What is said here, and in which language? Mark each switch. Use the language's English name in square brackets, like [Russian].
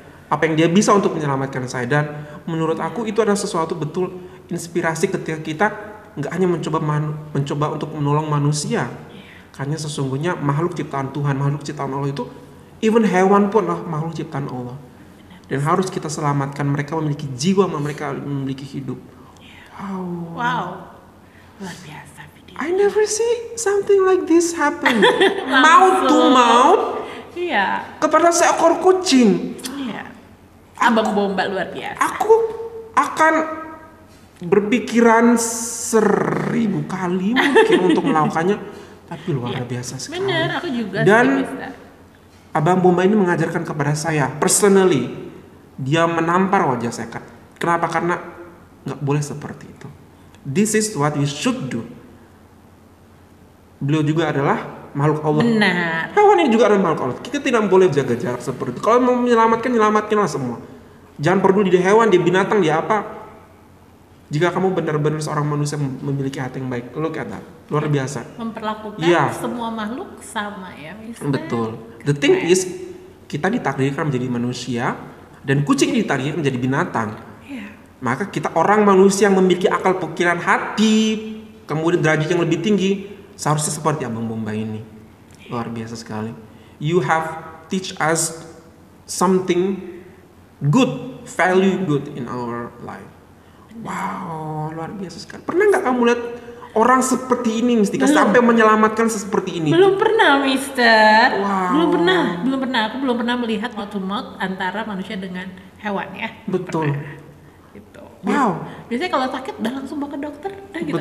[Indonesian] Apa yang dia bisa untuk menyelamatkan saya. Dan menurut aku itu adalah sesuatu betul inspirasi ketika kita gak hanya mencoba untuk menolong manusia. Karena sesungguhnya makhluk ciptaan Tuhan, makhluk ciptaan Allah itu, even hewan pun lah makhluk ciptaan Allah. Dan harus kita selamatkan, mereka memiliki jiwa, mereka memiliki hidup. Wow. Wow. Luar biasa video. [English] I never see something like this happen. Mouth to mouth. [Indonesian] Iya. Kepada seekor kucing. Iya. Abang Bomba luar biasa. Aku akan berpikiran 1000 kali mungkin untuk melakukannya. Tapi luar biasa sekali. Benar, aku juga. Dan Abang Bomba ini mengajarkan kepada saya, personally, dia menampar wajah saya. Kenapa? Karena gak boleh seperti itu. [English] This is what we should do. [Indonesian] Beliau juga adalah makhluk Allah. Benar. Hewan ini juga adalah makhluk Allah. Kita tidak boleh jaga jarak seperti itu. Kalau mau menyelamatkan, nyelamatkanlah semua. Jangan peduli dia hewan, dia binatang, dia apa. Jika kamu benar-benar seorang manusia memiliki hati yang baik, [English] look at that, [Indonesian] luar biasa. Memperlakukan yeah. semua makhluk sama ya, misalnya. Betul. [English] The thing is, [Indonesian] kita ditakdirkan menjadi manusia, dan kucing ditakdirkan menjadi binatang. Iya. Maka kita orang manusia yang memiliki akal pikiran hati, kemudian derajat yang lebih tinggi, seharusnya seperti Abang Bomba ini. Luar biasa sekali. [English] You have teach us something good, value good in our life. [Indonesian] Wow, luar biasa sekali. Pernah gak kamu lihat orang seperti ini, Mistika? Belum. Sampai menyelamatkan seperti ini. Belum pernah, Mister. Wow. Belum pernah. Aku belum pernah melihat [English] mouth to mouth [Indonesian] antara manusia dengan hewan ya. Betul. Gitu. Wow. Biasanya kalau sakit udah langsung bawa ke dokter. Udah gitu.